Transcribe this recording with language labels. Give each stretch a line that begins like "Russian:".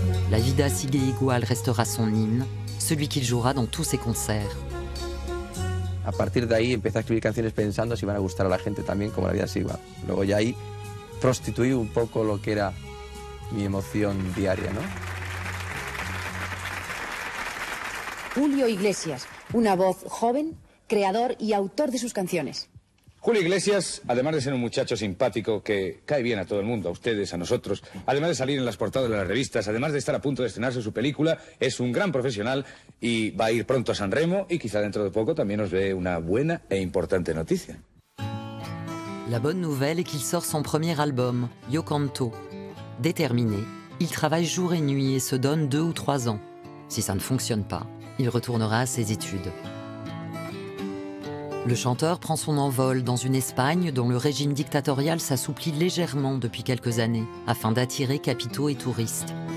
French: La vida sigue igual restera son hymne, celui qu'il jouera dans tous ses concerts.
Spanish: A partir de ahí, empecé a escribir canciones pensando si van a gustar a la gente también como la vida sigue igual. Luego ya ahí prostituí un poco lo que era mi emoción diaria, ¿no? Julio Iglesias, una voz joven, creador y autor de sus canciones. Julio Iglesias, además de ser un muchacho simpático que cae bien a todo el mundo, a ustedes, a nosotros, además de salir en las portadas de las revistas, además de estar a punto de estrenarse su película, es un gran profesional y va a ir pronto a San Remo y quizá dentro de poco también nos dé una buena e importante noticia.
French: La bonne nouvelle est qu'il sort son premier album, Yo Canto. Déterminé, il travaille jour et nuit et se donne 2 ou 3 ans. Si ça ne fonctionne pas, il retournera à ses études. Le chanteur prend son envol dans une Espagne dont le régime dictatorial s'assouplit légèrement depuis quelques années, afin d'attirer capitaux et touristes.